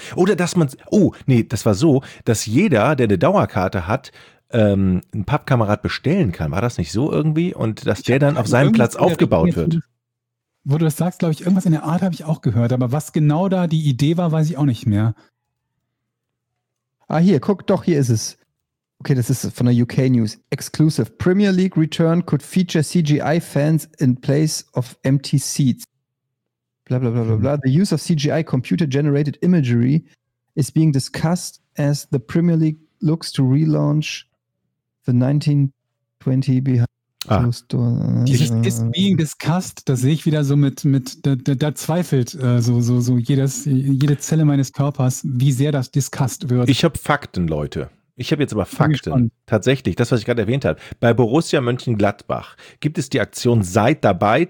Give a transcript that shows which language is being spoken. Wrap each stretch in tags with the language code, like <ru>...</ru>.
<de>Oder dass man, oh, nee, das war so, dass jeder, der eine Dauerkarte hat, ein Pappkamerad bestellen kann. War das nicht so irgendwie? Und dass der dann auf seinem Platz aufgebaut wird. Wo du das sagst, glaube ich, irgendwas in der Art habe ich auch gehört. Aber was genau da die Idee war, weiß ich auch nicht mehr. Ah, hier, guck, doch, hier ist es. Okay, das ist von der UK News.</de> <en>Exclusive Premier League Return could feature CGI-Fans in place of empty seats. Bla, bla, bla, bla, bla. The use of CGI computer-generated imagery is being discussed as the Premier League looks to relaunch the 1920 behind closed doors.</en> <de>Ist</de> <en>being discussed,</en> <de>das sehe ich wieder so mit da zweifelt jede Zelle meines Körpers, wie sehr das discussed wird. Ich habe Fakten, Leute. Ich habe jetzt aber Fakten. Tatsächlich, das, was ich gerade erwähnt habe. Bei Borussia Mönchengladbach gibt es die Aktion Seid dabei.</de>